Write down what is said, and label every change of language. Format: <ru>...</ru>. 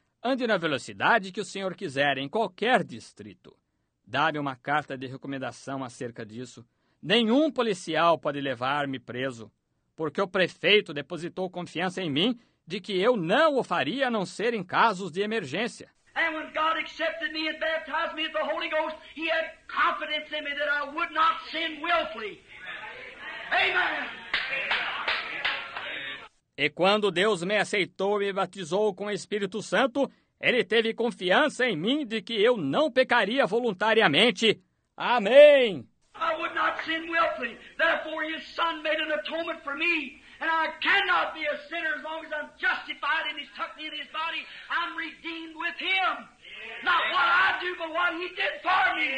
<pt>Ande na velocidade que o senhor quiser em qualquer distrito. Dá-me uma carta de recomendação acerca disso. Nenhum policial pode levar-me preso, porque o prefeito depositou confiança em mim de que eu não o faria a não ser em casos de emergência.</pt> <en>And when God accepted me and baptized me with the Holy Ghost, he had confidence in me that I would not sin willfully. Amen.</en> <pt>E quando Deus me aceitou e me batizou com o Espírito Santo, ele teve confiança em mim de que eu não pecaria voluntariamente. Amém!</pt> <en>I would not sin willfully. Therefore, his son made an atonement for me. And I cannot be a sinner as long as I'm justified and he's tucked me in his body. I'm redeemed with him. Not what I do, but what he did for me.</en>